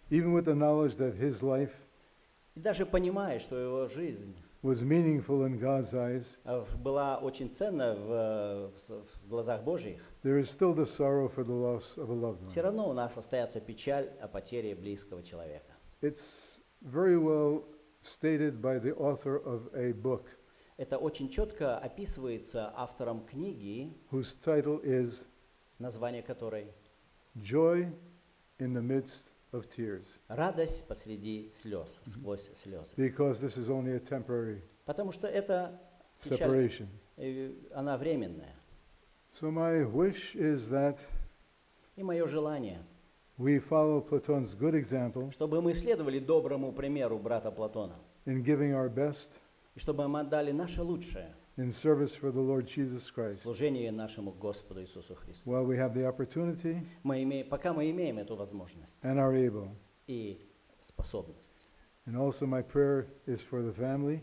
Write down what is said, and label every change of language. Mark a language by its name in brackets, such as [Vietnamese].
[English] even with the knowledge that his life, [Russian] и даже понимая, что его жизнь [English] was meaningful in God's eyes, [Russian] была очень ценна в глазах Божьих, [English] there is still the sorrow for the loss of a loved one. [Russian] Все равно у нас остается печаль о потере близкого человека. [English] It's very well stated by the author of a book. [Russian] Это очень четко описывается автором книги, [English] whose title is, [Russian] название которой, [English] Joy in the midst of tears. [Russian] Радость посреди слез, сквозь слезы. [English] Because this is only a temporary separation. [Russian] Потому что это печаль, она временная. [English] So my wish is that, [Russian] и мое желание, [English] we follow Platon's good example, [Russian] чтобы мы следовали доброму примеру брата Платона, [English] in giving our best, [Russian] и чтобы мы отдали наше лучшее, [English] in service for the Lord Jesus Christ. [Russian] Служение нашему Господу Иисусу Христу. [English] While we have the opportunity, [Russian] пока мы имеем эту возможность, [English] and are able, [Russian] и способность. [English] And also my prayer is for the family,